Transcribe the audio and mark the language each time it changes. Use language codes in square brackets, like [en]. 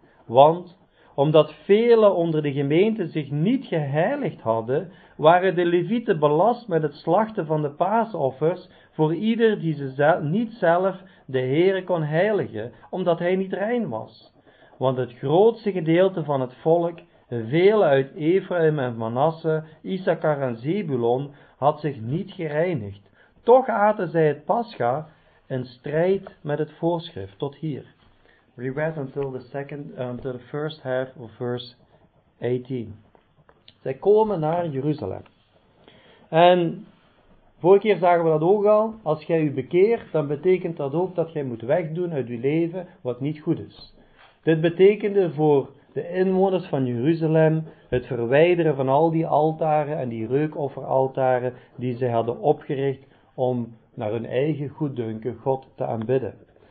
[nl] Want, omdat velen onder de gemeente zich niet geheiligd hadden, waren de levieten belast met het slachten van de paasoffers voor ieder die ze niet zelf de Heere kon heiligen, omdat hij niet rein was. Want het grootste gedeelte van het volk, velen uit Ephraim en Manasse, Issachar en Zebulon, had zich niet gereinigd. Toch aten zij het Pascha in strijd met het voorschrift. Tot hier. [en] We read until the first half of verse 18. [nl] Zij komen naar Jeruzalem. En vorige keer zagen we dat ook al. Als jij je bekeert, dan betekent dat ook dat jij moet wegdoen uit je leven wat niet goed is. Dit betekende voor de inwoners van Jeruzalem het verwijderen van al die altaren en die reukofferaltaren die ze hadden opgericht om naar hun eigen goeddunken God te aanbidden.